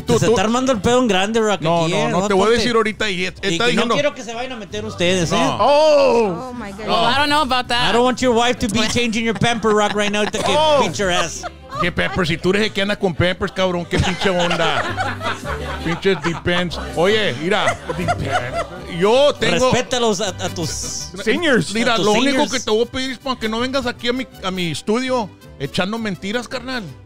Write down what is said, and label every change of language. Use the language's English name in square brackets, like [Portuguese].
[Spanish] se, se está armando el pedo en grande, Rock. No, aquí, no, no, no te voy a decir ahorita. Y está diciendo, no quiero que se vayan a meter ustedes, no. ¿Eh? Oh, [English] oh my God. Well, I don't know about that. I don't want your wife to be changing your pamper, Rock, right now to get beat your ass. [Spanish] ¿Qué peppers? Si tú eres el que anda con peppers, cabrón, qué pinche onda. Pinche depends. Oye, mira. Depends. Yo tengo. Respétalos a tus. [English] Seniors. [Spanish] Mira, tus lo [English] seniors. [Spanish] Único que te voy a pedir es para que no vengas aquí a mi estudio echando mentiras, carnal.